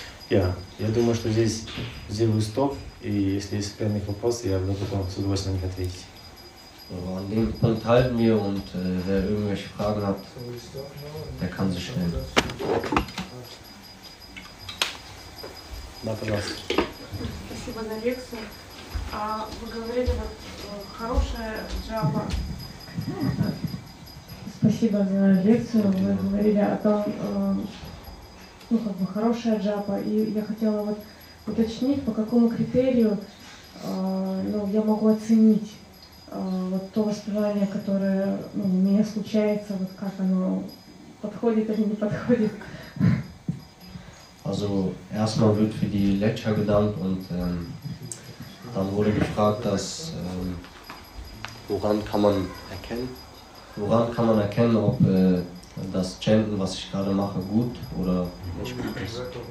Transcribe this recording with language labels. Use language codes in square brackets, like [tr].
[ru] Ja, я думаю, что здесь сделаю стоп, и если есть какие-нибудь вопросы, я буду потом с удовольствием на них ответить. [de] So, an dem Punkt halten wir und wer irgendwelche Fragen hat, der kann sie stellen. Danke, Lars. [ru] Спасибо за лекцию. Вы говорили, вот хорошая джапа. Спасибо за лекцию. Вы говорили о том, хорошая джапа. И я хотела вот уточнить, по какому критерию я могу оценить. Вот то воспевание, которое у меня случается, вот как оно подходит или не подходит. [de] Also erstmal wird für die Lecture gedankt und dann wurde gefragt, dass woran kann man erkennen, ob das Chanten, was ich gerade mache, gut oder nicht gut ist.